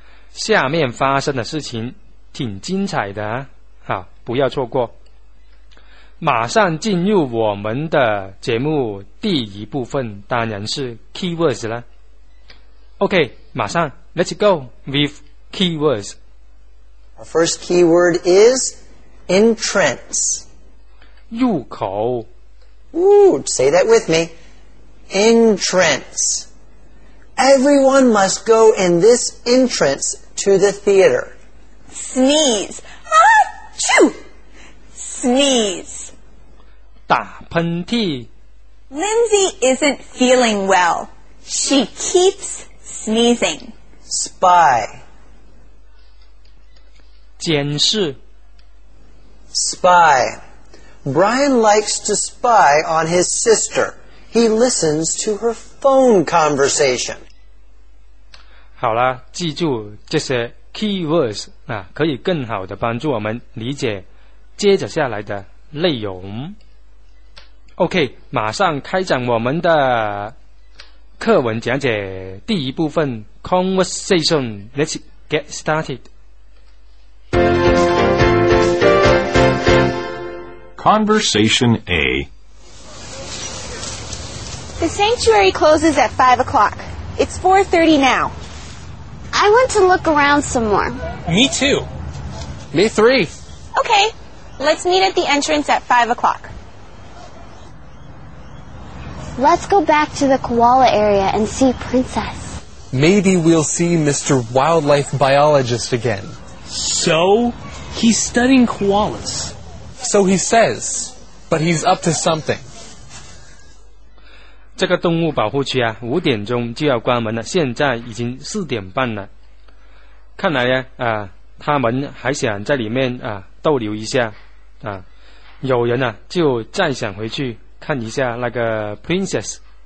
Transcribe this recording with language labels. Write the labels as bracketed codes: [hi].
[zh] 下面发生的事情挺精彩的啊，不要错过。马上进入我们的节目第一部分，当然是 keywords 了。 OK， 马上 [en] Let's go with keywords Our first keyword is entrance. [zh] 入口。 [en] Ooh, say that with me. Entrance. Everyone must go in this entrance to the theater. Sneeze. Achoo! Sneeze. [zh] 打喷嚏。 [en] Lindsay isn't feeling well. She keeps sneezing. Spy. [zh] 监视。 [en] Spy. Brian likes to spy on his sister. He listens to her phone conversation. [zh] 好了，记住这些 keywords 啊，可以更好的帮助我们理解接着下来的内容。 OK， 马上开展我们的课文讲解第一部分 conversation. [en] Let's get started. Conversation A. The sanctuary closes at 5 o'clock. It's 4:30 now. I want to look around some more. Me too. Me three. Okay, let's meet at the entrance at 5 o'clock. Let's go back to the koala area and see Princess. Maybe we'll see Mr. Wildlife Biologist again. So? He's studying koalas. So he says, but he's up to something. [zh] 这个动物保护区啊，五点钟就要关门了，现在已经四点半了。看来呀，啊，他们还想在里面啊逗留一下，啊，有人呢，啊，就再想回去看一下那个 princess.